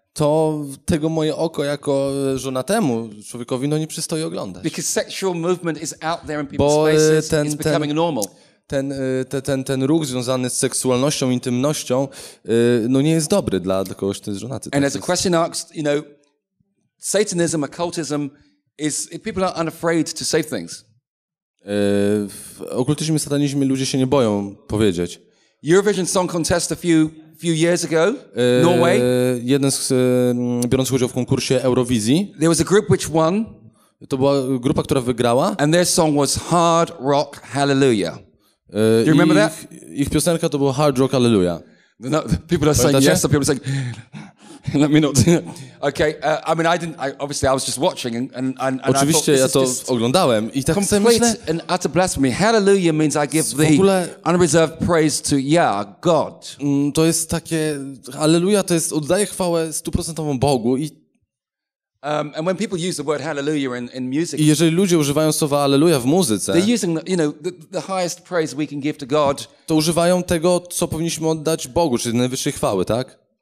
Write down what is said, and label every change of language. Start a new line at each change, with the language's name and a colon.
Polish: To tego moje oko jako żonatemu człowiekowi no nie przystoi oglądać.
English: Because sexual movement is out there in people's
Polish: bo,
English: spaces,
Polish: ten,
English: it's becoming
Polish: ten,
English: normal.
Polish: Ten ruch związany z seksualnością, intymnością, no nie jest dobry dla kogoś, kto jest żonaty.
English: And as a question asked, you know, Satanism, occultism is people are unafraid to say things.
Polish: W okultyzmie, satanizmie ludzie się nie boją powiedzieć.
English: Eurovision Song Contest a few years ago, Norway.
Polish: Jeden z biorących udział w konkursie Eurowizji.
English: There was a group which won.
Polish: To była grupa, która wygrała.
English: And their song was Hard Rock Hallelujah. Do you remember
Polish: ich,
English: that?
Polish: Ich piosenka to była Hard Rock Hallelujah.
English: No, people are saying yes, people are saying let me not. Okay, I mean, I didn't. I, obviously, I was just watching, and
Polish: oczywiście,
English: I thought this
Polish: ja to oglądałem i tak
English: complete
Polish: myślę,
English: and utter blasphemy. Hallelujah means I give the
Polish: ogóle,
English: unreserved praise to Yah, God.
Polish: To jest takie Hallelujah. To jest oddaję chwałę stuprocentową Bogu i.
English: And when people use the word Hallelujah in music.
Polish: I jeżeli ludzie używają słowa Hallelujah w muzyce.
English: They're using, you know, the highest praise we can give to God.
Polish: To używają tego, co powinniśmy oddać Bogu, czyli najwyższej chwały, tak?